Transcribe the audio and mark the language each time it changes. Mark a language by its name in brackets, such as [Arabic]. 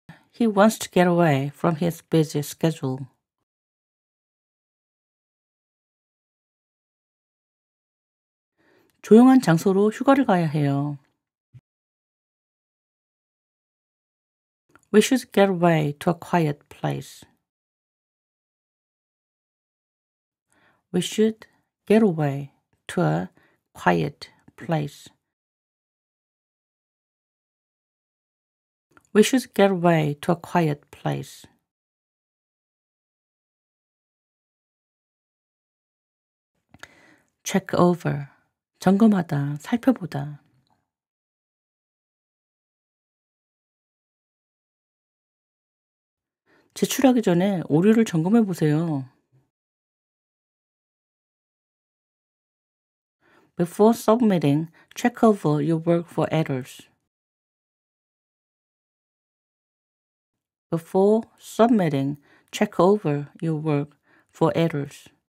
[English] He wants to get away from his busy schedule. [Korean] 조용한 장소로 휴가를 가야 해요. [English] We should get away to a quiet place. We should get away to a quiet place. We should get away to a quiet place. [Korean] Check over. 점검하다, 살펴보다. 제출하기 전에 오류를 점검해 보세요. [English] Before submitting, check over your work for errors. Before submitting, check over your work for errors.